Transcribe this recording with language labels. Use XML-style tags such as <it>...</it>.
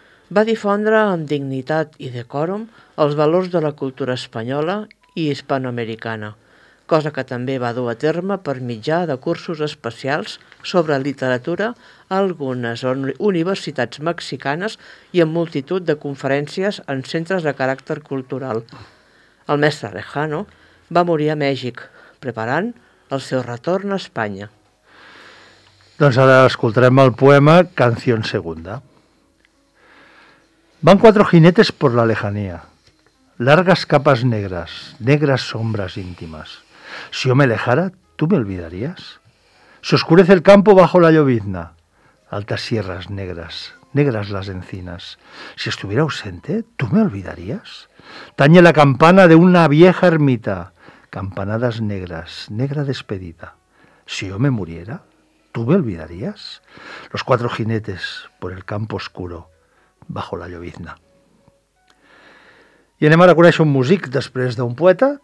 <ca>Va difondre amb dignitat i decòrum els valors de la cultura espanyola i hispanoamericana, cosa que també va dur a terme per mitjà de cursos especials sobre literatura a algunes universitats mexicanes i en multitud de conferències en centres de caràcter cultural. El mestre Rejano va morir a Mèxic, preparant el seu retorn a Espanya. Doncs ara escoltarem el poema</ca> <es>Canción Segunda. Van cuatro jinetes por la lejanía, largas capas negras, negras sombras íntimas. Si yo me alejara, ¿tú me olvidarías? Se oscurece el campo bajo la llovizna, altas sierras negras, negras las encinas. Si estuviera ausente, ¿tú me olvidarías? Tañe la campana de una vieja ermita, campanadas negras, negra despedida. Si yo me muriera, ¿tú me olvidarías? Los cuatro jinetes por el campo oscuro, bajo la llovizna.</es> <ca>I anem ara a conèixer un músic després d'un poeta.</ca>